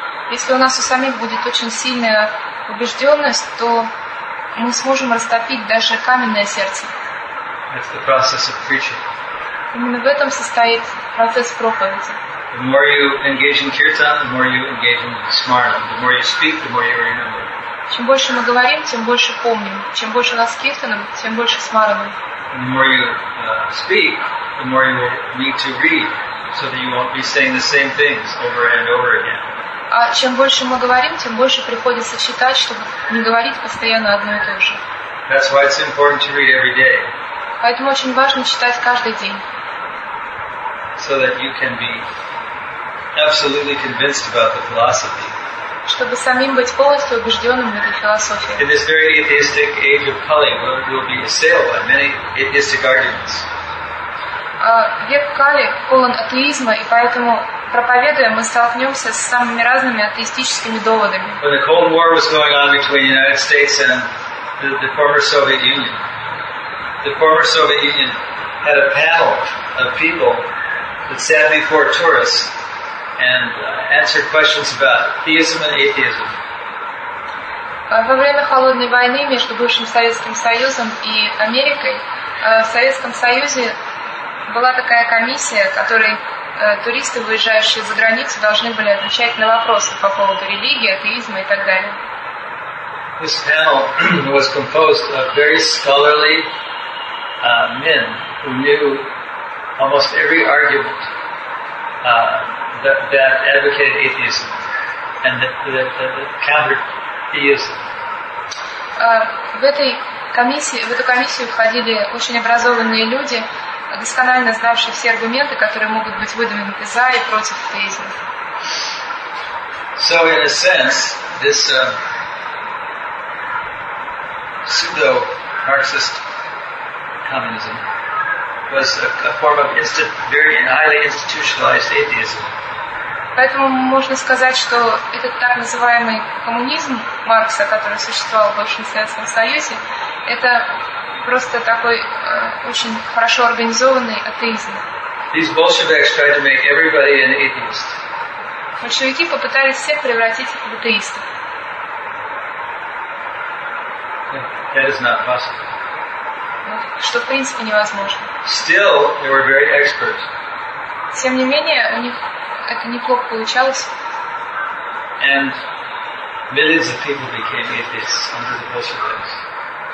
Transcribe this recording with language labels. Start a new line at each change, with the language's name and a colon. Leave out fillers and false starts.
Russian: Если у нас у самих будет очень сильная убежденность, то мы сможем растопить даже каменное сердце.
English: That's the process of preaching.
Russian: Именно в этом состоит процесс проповеди.
English: The more you engage in kirtan, the more you engage in smarana. The more you speak, the more you remember.
Russian: Чем больше мы говорим, тем больше помним. Чем больше у нас киртаном, тем больше смарана.
English: The more you speak, the more you will need to read, so that you won't be saying the same things over and over again.
Russian: А чем больше мы говорим, тем больше приходится читать, чтобы не говорить постоянно одно и то же.
English: That's why it's important to read every day.
Russian: Поэтому очень важно читать каждый день.
English: So that you can be absolutely convinced about the philosophy.
Russian: Чтобы самим быть полностью убежденным в этой философии.
English: In this very atheistic age of Kali, we'll be assailed by many atheistic arguments.
Russian: Век Кали полон атеизма, и поэтому, проповедуя, мы столкнемся с самыми разными атеистическими доводами.
English: When the Cold War was going on between the United States and the former Soviet Union, the former Soviet Union had a panel of people that sat before tourists and answered questions about theism and atheism.
Russian: Во время холодной войны между бывшим Советским Союзом и Америкой в Советском Союзе была такая комиссия, которой туристы, выезжающие за границу, должны были отвечать на вопросы по поводу религии, атеизма и так далее.
English: This panel was composed of very scholarly men who knew almost every argument that advocated atheism and that countered theism.
Russian: В эту комиссию входили очень образованные люди, досконально знавшие все аргументы, которые могут быть выдвинуты за и против атеизма.
English: So in a sense, this pseudo-Marxist communism was a form of very highly institutionalized atheism.
Russian: Поэтому можно сказать, что этот так называемый коммунизм Маркса, который существовал в бывшем Советском Союзе, это просто такой очень хорошо организованный атеизм.
English: These Bolsheviks tried to make everybody an atheist.
Russian: Большевики попытались всех превратить в атеистов.
English: That is not possible.
Russian: Что в принципе невозможно.
English: Still, they were very expert.
Russian: Тем не менее, у них это неплохо получалось.
English: And millions of people became atheists under the Bolsheviks.